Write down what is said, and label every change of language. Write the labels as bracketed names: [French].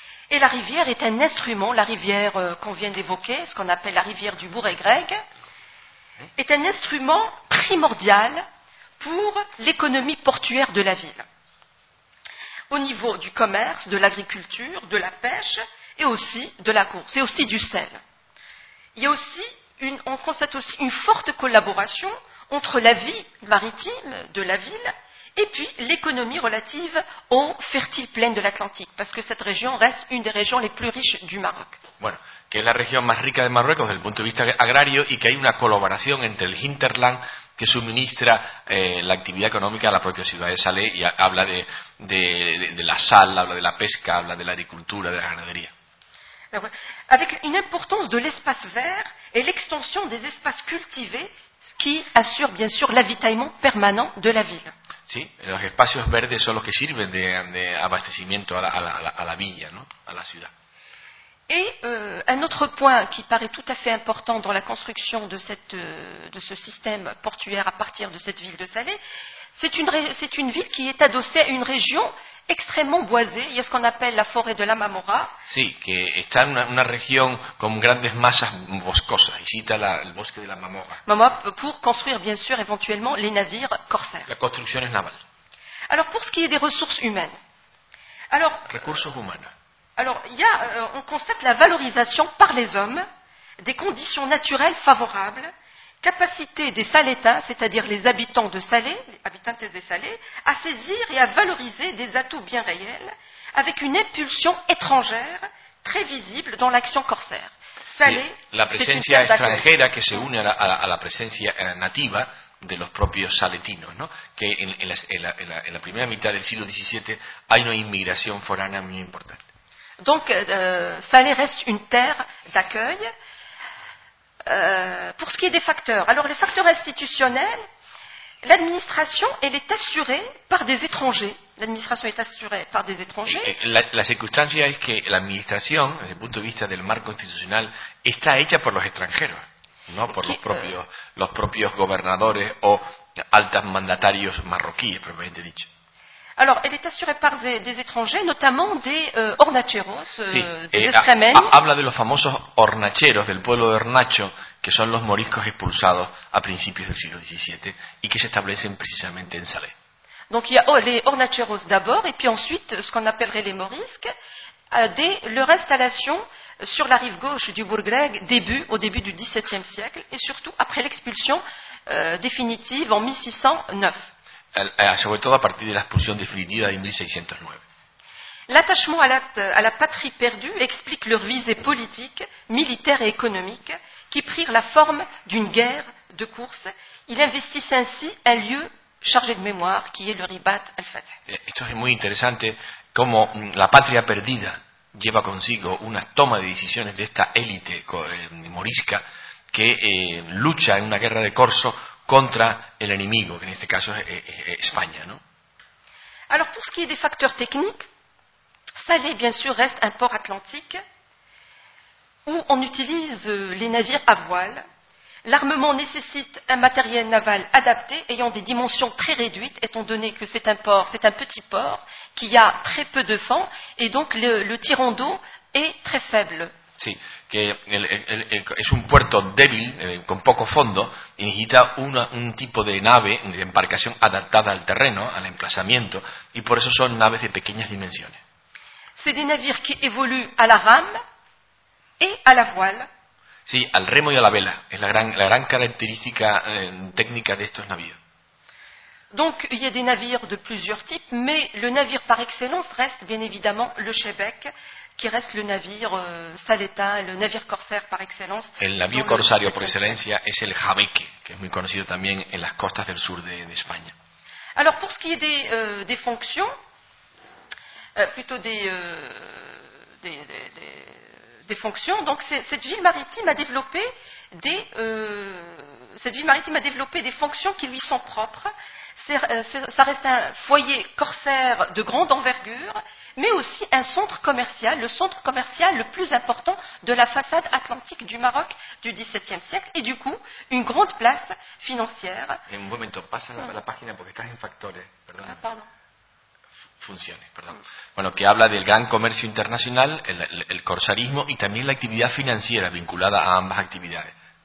[French] Et la rivière est un instrument, la rivière qu'on vient d'évoquer, ce qu'on appelle la rivière du Bouregreg, est un instrument primordial pour l'économie portuaire de la ville, au niveau du commerce, de l'agriculture, de la pêche et aussi de la course, et aussi du sel. Il y a aussi on constate aussi une forte collaboration entre la vie maritime de la ville et puis l'économie relative aux fertiles plaines de l'Atlantique, parce que cette région reste une des régions les plus riches du Maroc. [Spanish] Bueno, que es la región más rica de Marruecos desde el punto de vista agrario y que hay una colaboración entre el hinterland que suministra la actividad económica a la propia ciudad de Salé y habla de la sal, habla de la pesca, habla de la agricultura, de la ganadería. [French] Avec une importance de l'espace vert et l'extension des espaces cultivés qui assurent bien sûr l'avitaillement permanent de la ville. [Spanish] Sí, los espacios verdes son los que sirven de abastecimiento a la villa, ¿no? A la ciudad. [French] Et un autre point qui paraît tout à fait important dans la construction de ce système portuaire à partir de cette ville de Salé, c'est une ville qui est adossée à une région extrêmement boisé, [Spanish] y es lo que [French] appelle la forêt de la Mamora. [Spanish] Sí, que está en una región con grandes masas boscosas, y cita el bosque de la Mamora. [French] Mamora, pour construire, bien sûr, éventuellement, les navires corsaires. [Spanish] La construcción es naval. [French] Alors, pour ce qui est des ressources humaines. [Spanish] Recursos humanos. [French] Alors, on constate la valorisation par les hommes des conditions naturelles favorables, capacité des Salétains, c'est-à-dire les habitants de Salé, les habitantes de Salé, à saisir et à valoriser des atouts bien réels, avec une impulsion étrangère très visible dans l'action corsaire. Salé, c'est [Spanish] la presencia extranjera que se une a la presencia nativa de los propios saletinos, ¿no? Que en la primera mitad del siglo XVII hay una inmigración forana muy importante. [French] Donc, Salé reste une terre d'accueil. Pour ce qui est des facteurs, alors les facteurs institutionnels, l'administration, elle est assurée par des étrangers. L'administration est assurée par des étrangers. [Spanish] La circunstancia es que l'administration, desde el punto de vista del marco institucional, está hecha por los extranjeros, no por los propios gobernadores o altos mandatarios marroquíes, propiamente dicho. [French] Alors, elle est assurée par des étrangers, notamment des hornacheros, des extremeños. [Spanish] Habla de los famosos hornacheros del pueblo de Hornacho, que son los moriscos expulsados a principios del siglo XVII y que se establecen precisamente en Salé. [French] Donc il y a les hornacheros d'abord, et puis ensuite ce qu'on appellerait les morisques, dès leur installation sur la rive gauche du Bourgleg au début du XVIIe siècle, et surtout après l'expulsion définitive en 1609. [Spanish] Sobre todo a partir de la expulsión definitiva de 1609. [French] L'attachement à la patrie perdue explique leur visée politique, militaire et économique, qui prirent la forme d'une guerre de course. Ils investissent ainsi un lieu chargé de mémoire, qui est le Ribat al-Fateh. [Spanish] Esto es muy interesante, como la patria perdida lleva consigo una toma de decisiones de esta élite morisca que lucha en una guerra de corso contra el enemigo, que en este caso es España, ¿no? [French] Alors, pour ce qui est des facteurs techniques, Salé, bien sûr, reste un port atlantique où on utilise les navires à voile. L'armement nécessite un matériel naval adapté, ayant des dimensions très réduites, étant donné que c'est un petit port qui a très peu de fonds, et donc le tirant d'eau est très faible. [Spanish] Sí, que es un puerto débil, con poco fondo, y necesita un tipo de nave, de embarcación adaptada al terreno, al emplazamiento, y por eso son naves de pequeñas dimensiones. [French] C'est des navires qui évoluent à la rame et à la voile. [Spanish] Sí, al remo y a la vela. Es la gran característica técnica de estos navíos. [French] Donc, il y a des navires de plusieurs types, mais le navire par excellence reste bien évidemment le Chebec, qui reste le navire saletá, le navire corsaire par excellence. [Spanish] El navío corsario por excelencia es el Jabeque, que es muy conocido también en las costas del sur de España. [French] Alors, pour ce qui est des fonctions, plutôt des fonctions. Donc cette ville maritime a développé des fonctions qui lui sont propres. Ça reste un foyer corsaire de grande envergure, mais aussi un centre commercial, le centre commercial le plus important de la façade atlantique du Maroc du XVIIe siècle, et du coup une grande place financière. [Spanish] En un momento, pasa la página porque estás en factores. Perdona. [French] Ah, pardon. [Spanish] Funciones, perdón. Bueno, que habla del gran comercio internacional, el corsarismo y también la actividad financiera vinculada a ambas actividades.